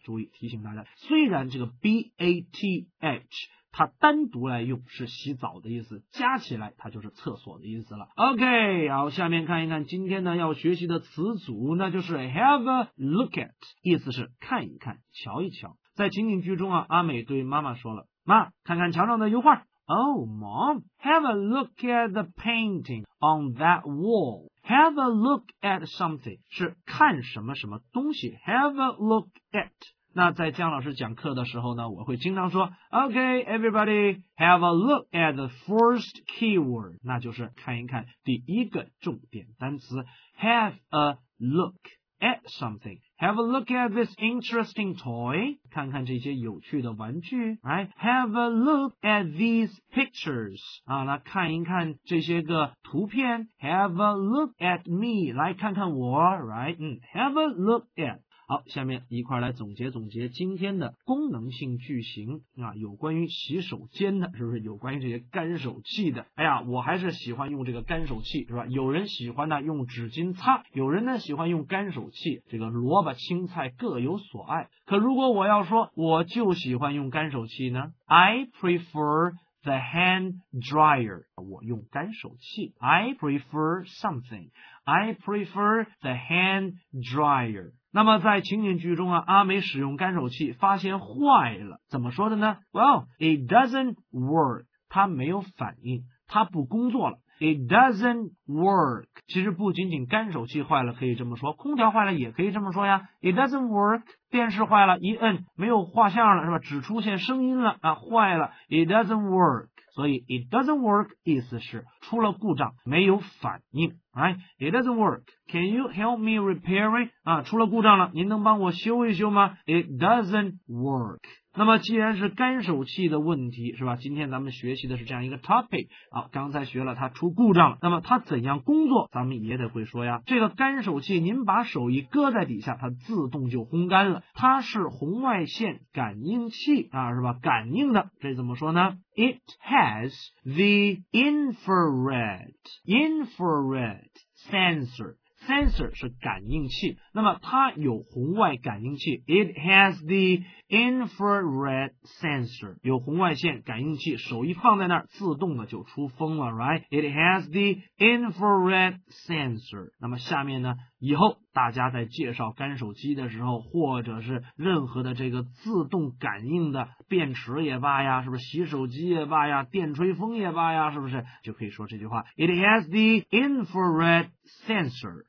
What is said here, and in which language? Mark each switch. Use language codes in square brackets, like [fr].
[zh] 注意提醒大家，虽然这个 bath 它单独来用是洗澡的意思，加起来它就是厕所的意思了。 OK, 好，下面看一看今天呢要学习的词组，那就是 [en] have a look at, [zh] 意思是看一看瞧一瞧。在情景剧中啊，阿美对妈妈说了，妈看看墙上的油画。 [en] Oh, mom, have a look at the painting on that wall. Have a look at something, [zh] 是看什么什么东西。 [en] Have a look at. [zh] 那在姜老师讲课的时候呢，我会经常说 [en] OK, everybody, have a look at the first keyword. [zh] 那就是看一看第一个重点单词。 [en] Have a look at something. Have a look at this interesting toy. [zh] 看看这些有趣的玩具。 [en] Right? Have a look at these pictures. [zh] 啊，来看一看这些个图片。 [en] Have a look at me. [zh] 来看看我。 [en] Right? Have a look at. [zh] 好，下面一块来总结总结今天的功能性句型啊，有关于洗手间的，是不是？有关于这些干手器的。哎呀，我还是喜欢用这个干手器，是吧？有人喜欢呢用纸巾擦，有人呢喜欢用干手器，这个萝卜青菜各有所爱。可如果我要说我就喜欢用干手器呢， [en] I prefer the hand dryer, [zh] 我用干手器。 [en] I prefer something, I prefer the hand dryer. [zh] 那么在情景剧中啊，阿美使用干手器发现坏了，怎么说的呢？ [en] Well, it doesn't work, [zh] 它没有反应，它不工作了。 [en] It doesn't work, [zh] 其实不仅仅干手器坏了可以这么说，空调坏了也可以这么说呀。 [en] It doesn't work, [zh] 电视坏了一摁没有画像了是吧，只出现声音了啊，坏了。 [en] It doesn't work, [zh] 所以 [en] it doesn't work [zh] 意思是出了故障没有反应 [en] right? It doesn't work, can you help me repair it? [zh] 啊，出了故障了，您能帮我修一修吗？ [en] It doesn't work。 [zh] 那么既然是干手器的问题是吧，今天咱们学习的是这样一个 topic 啊，刚才学了它出故障了，那么它怎样工作咱们也得会说呀。这个干手器您把手一搁在底下它自动就烘干了，它是红外线感应器啊，是吧，感应的。这怎么说呢？ [en] It has the infrared sensor. [zh] Sensor 是感应器，那么它有红外感应器。 [en] It has the infrared sensor. [zh] 有红外线感应器，手一放在那儿，自动的就出风了 ， [en] right? It has the infrared sensor. [zh] 那么下面呢？以后大家在介绍干手机的时候，或者是任何的这个自动感应的电池也罢呀，是不是洗手机也罢呀，电吹风也罢呀，是不是就可以说这句话 [en] It has the infrared sensor。